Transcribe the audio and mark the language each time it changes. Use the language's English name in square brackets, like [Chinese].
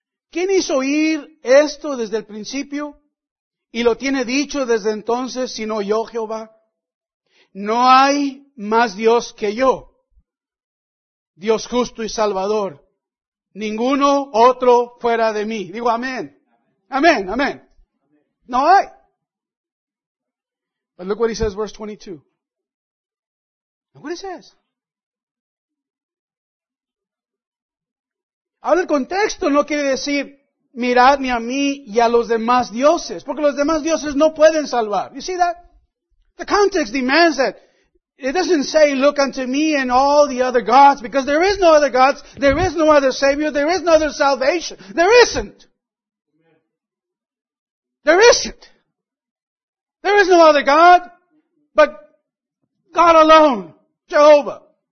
[Spanish] ¿Quién hizo oír esto desde el principio y lo tiene dicho desde entonces sino yo, Jehová? No hay más Dios que yo. Dios justo y salvador, ninguno otro fuera de mí. Digo, amén. Amén, amén. No hay. [English] But look what he says, verse 22. Look what he says. [Spanish] Ahora el contexto no quiere decir, miradme a mí y a los demás dioses, porque los demás dioses no pueden salvar. [English] You see that? The context demands that. It doesn't say, look unto me and all the other gods, because there is no other gods, there is no other savior, there is no other salvation. There isn't. There isn't. There is no other God, but God alone, Jehovah.